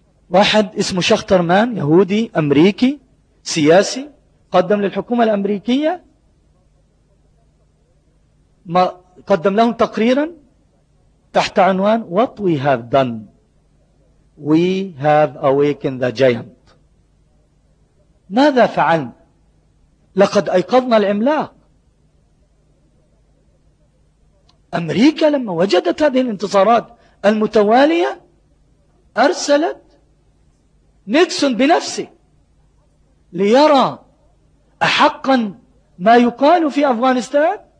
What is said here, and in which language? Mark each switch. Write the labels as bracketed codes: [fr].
[ar] واحد اسمه شخترمان، يهودي أمريكي سياسي، قدم للحكومة الأمريكية، ما قدم لهم تقريرا تحت عنوان [en] What we have done. We have awakened the giant. [ar] ماذا فعلنا؟ لقد أيقظنا العملاق. أمريكا لما وجدت هذه الانتصارات المتوالية أرسلت نيكسون بنفسه ليرى أحقا ما يقال في أفغانستان.